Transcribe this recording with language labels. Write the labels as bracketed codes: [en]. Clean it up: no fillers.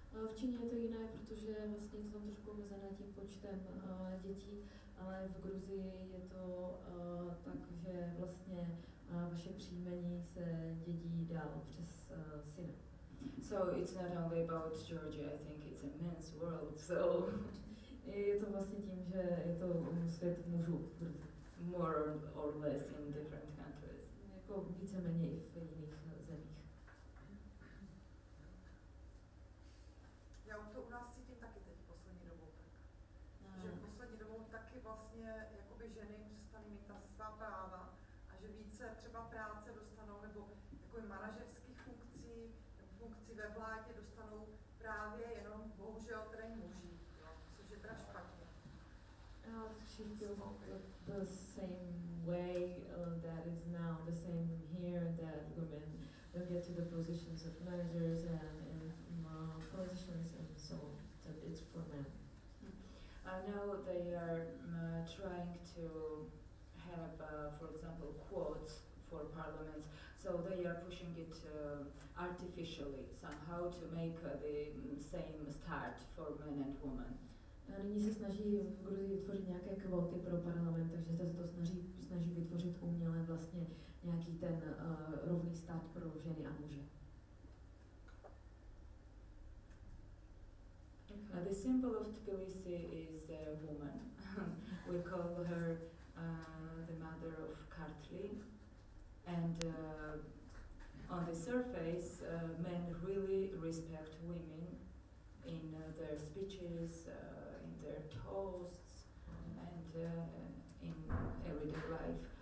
[cs] V Číně je to jiné, protože vlastně jsou trošku omezené tím počtem dětí, ale v Gruzii je to tak, že vlastně vaše příjmení se dědí dál přes syna. [en] So it's not only about Georgia, I think it's a men's world, so... [cs] Je to vlastně tím, že je to svět mužů. [en] More or less in different countries. [cs] Jako více méně i v jiných zemích. Já to u nás cítím taky teď poslední dobou tak. No. Že poslední dobou taky vlastně jakoby ženy přestaly mít ta svá práva a že více třeba práce dostanou nebo jako manažerských funkcí nebo funkcí ve vládě dostanou právě jenom bohužel teda muži. [en] She feels the same way that is now, the same here, that women don't get to the positions of managers and positions and so on, that it's for men. Now they are trying to have, for example, quotes for parliament, so they are pushing it artificially somehow to make the same start for men and women. [cs] A nyní se snaží v Gruzii vytvořit nějaké kvóty pro parlament, takže se to snaží vytvořit uměle vlastně nějaký ten rovný stát pro ženy a muže. Okay. [en] The symbol of Tbilisi is a woman. We call her the mother of Kartli. And on the surface, men really respect women in their speeches, in their toasts, and in everyday life.